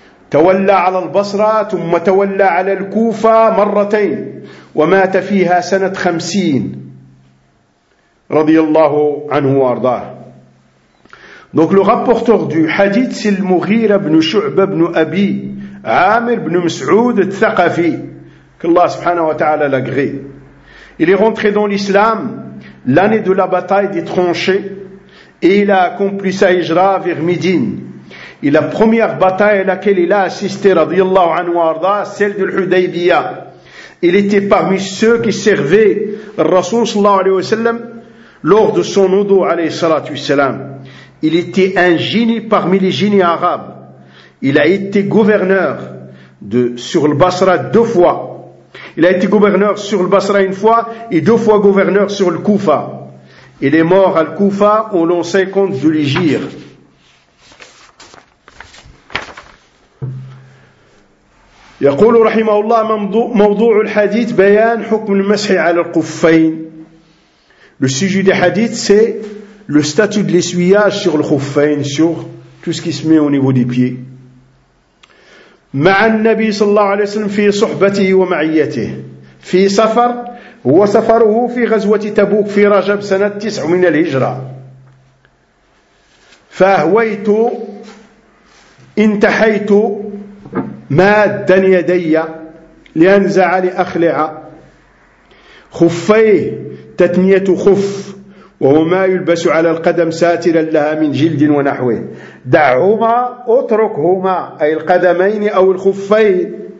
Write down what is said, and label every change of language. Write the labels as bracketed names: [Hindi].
[Arabic] تولى على البصرة ثم تولى على الكوفة مرتين ومات فيها سنة 50 رضي الله عنه وارضاه. [French] Donc le rapporteur du hadith c'est le Mughira ibn Shu'ba ibn Abi Amir ibn Mas'ud al-Thaqafi qu'Allah subhanahu wa ta'ala l'agrée. Il est rentré dans l'islam l'année de la bataille des tranchées et il a accompli sa hijra vers Médine. Et la première bataille à laquelle il a assisté, radiyallahu anhu wa arda, celle de l'Hudaybiyah. Il était parmi ceux qui servaient le Rasoul sallallahu alayhi wa sallam lors de son oudou alayhi salatu wa sallam. Il était un génie parmi les génies arabes. Il a été gouverneur sur le Basra deux fois. Il a été gouverneur sur le Basra une fois et deux fois gouverneur sur le Koufa. Il est mort à le Koufa en l'an 50 de l'Hijr. [Arabic] يقول رحمه الله موضوع الحديث بيان حكم المسح على الخفين. [French] Le sujet du hadith c'est le statut de l'essuyage sur le khuffain, sur tout ce qui se met au niveau des pieds. [Arabic] مع النبي صلى الله عليه وسلم في صحبته ومعيته في سفر هو سفره في غزوة تبوك في رجب سنة 9 من الهجرة. فهويت انتحيت مادا يدي لأنزع لأخلع خفيه تثنية خف وهو ما يلبس على القدم ساترا لها من جلد ونحوه دعهما أتركهما أي القدمين أو الخفين